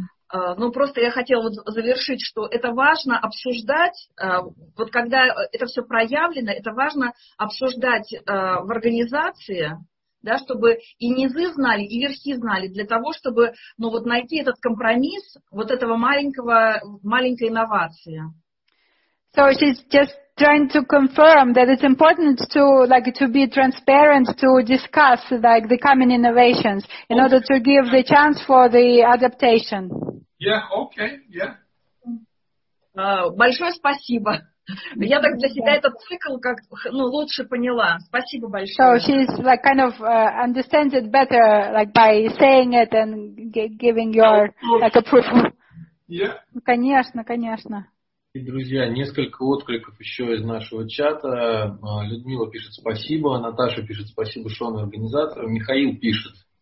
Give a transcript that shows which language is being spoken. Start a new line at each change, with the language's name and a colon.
Russian: Просто я хотела вот завершить, что это важно обсуждать, вот когда это все проявлено, это важно обсуждать в организации, да, чтобы и низы знали, и верхи знали, для того, чтобы найти этот компромисс вот этого маленькой инновации.
English: So she's just trying to confirm that it's important to be transparent, to discuss the common innovations in order to give the chance for the adaptation. Yeah, okay, yeah.
Russian: Большое спасибо. Я так для себя этот цикл как лучше поняла. Спасибо большое.
English: So she's understands it better by saying it and giving your approval. Yeah.
Russian: Конечно, конечно. И, друзья, несколько откликов еще из нашего чата. Людмила пишет спасибо, Наташа пишет спасибо Шону организатору, Михаил пишет.